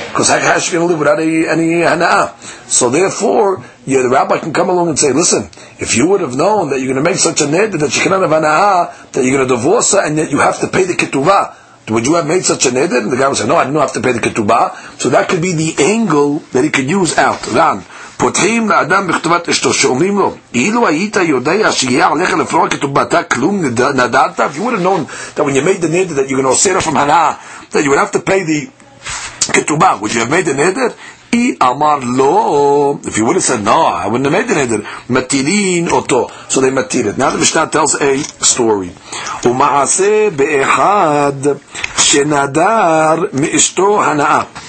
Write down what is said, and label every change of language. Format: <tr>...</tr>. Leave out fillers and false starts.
<en>Because how is she going to live without any hana'a? So therefore, the rabbi can come along and say, listen, if you would have known that you're going to make such a neder, that you cannot have hana'a, that you're going to divorce her, and yet you have to pay the ketubah, would you have made such a neder? And the guy would say, no, I didn't have to pay the ketubah. So that could be the angle that he could use out. Ran.</en> <he>פותחים לאדם בכתובת אשתו שאומרים לו, אילו היית יודע שיהיה עליך לפרוע כתובתה כלום נדעת?</he> <en>If you would have known that when you made the neder that you're going to say it from hana, that you would have to pay the כתובה, would you have made the neder? He</en> <he>amar lo.</he> <en>If you would have said, no, I wouldn't have made the neder.</en> <he>Matirin oto.</he> <en>So they matir it. Now the Mishnah tells a story.</en> <he>Umaase be'echad shenadar me'ishto hana'a.</he>